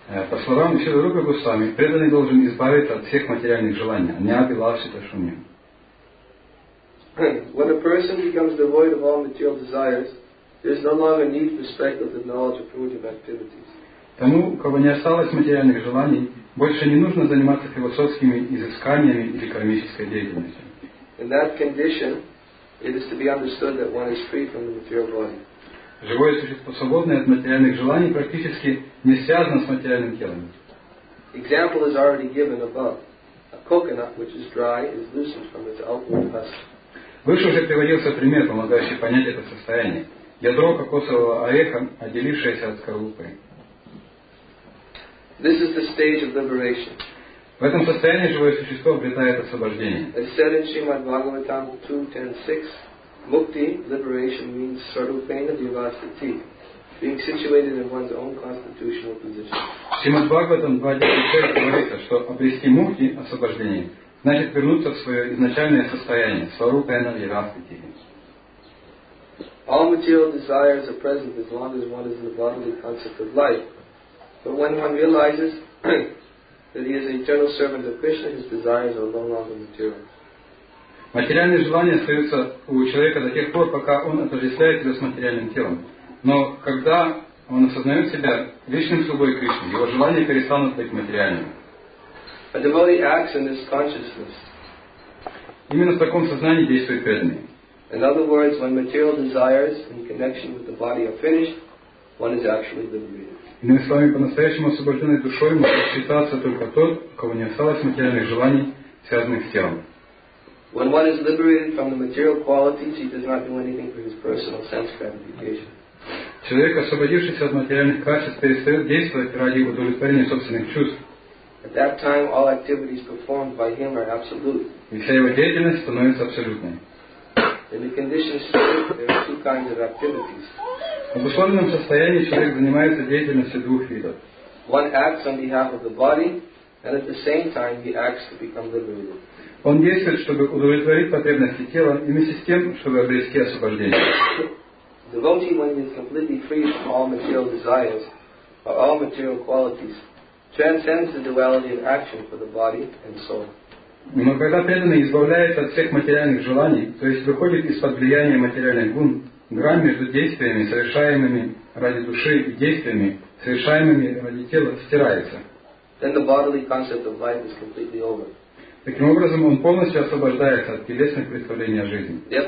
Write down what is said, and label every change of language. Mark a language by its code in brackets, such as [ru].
[ru] По словам Шрилы Рупы Госвами, преданный должен избавиться от всех материальных желаний, [sa] не обилашита шуни. [en] When a person becomes devoid of all material desires, there is no longer need for speculative knowledge of primitive activities. [ru] Тому, у кого не осталось материальных желаний, больше не нужно заниматься философскими изысканиями или кармической деятельностью. [en] In that condition, it is to be understood that one is free from the material body. [ru] Живое существо, свободное от материальных желаний, практически не связано с материальным телом. [en] Example is already given above. A coconut, which is dry, is loosened from its outward husk. [ru] Выше уже приводился пример, помогающий понять это состояние. Ядро кокосового ореха, отделившееся от скорлупы. [en] This is the stage of liberation. [ru] В этом состоянии живое существо обретает освобождение. [en] As said in Srimad Bhagavatam 2.10.6, Mukti, liberation, means [sa] sarupena divasati, [en] being situated in one's own constitutional position. [ru] Srimad Bhagavatam 2.10.6 говорится, что обрести мукти, освобождение, значит вернуться в свое изначальное состояние, [sa] сварупена divasati. [en] All material desires are present as long as one is in the bodily concept of life. But when one realizes that he is an eternal servant of Krishna, his desires are no longer material. [ru] Материальные желания остаются у человека до тех пор, пока он отождествляет себя с материальным телом. Но когда он осознает себя личным слугой Кришны, его желания перестанут быть материальными. [en] A devotee acts in this consciousness. [ru] Именно в таком сознании действует преданный. [en] In other words, when material desires in connection with the body are finished, one is actually liberated. [ru] Иными словами, по-настоящему освобожденной душой может считаться только тот, у кого не осталось материальных желаний, связанных с телом. [en] When one is liberated from the material qualities, he does not do anything for his personal sense gratification. [ru] Человек, освободившийся от материальных качеств, перестает действовать ради удовлетворения собственных чувств. [en] At that time, all activities performed by him are absolute. [ru] И вся его деятельность становится абсолютной. [en] In the condition state, there are two kinds of activities. [ru] В обусловленном состоянии человек занимается деятельностью двух видов. [en] One acts on behalf of the body, and at the same time he acts to become liberated. [ru] Он действует, чтобы удовлетворить потребности тела, и вместе с тем, чтобы обрести освобождение. [en] Devotee, when he is completely free from all material desires or all material qualities, transcends the duality of action for the body and soul. [ru] Но когда преданный избавляется от всех материальных желаний, то есть выходит из-под влияния материальных гун, грань между действиями, совершаемыми ради души, и действиями, совершаемыми ради тела, стирается. [en] Then the bodily concept of life is completely over. [ru] Таким образом, он полностью освобождается от телесных представлений о жизни.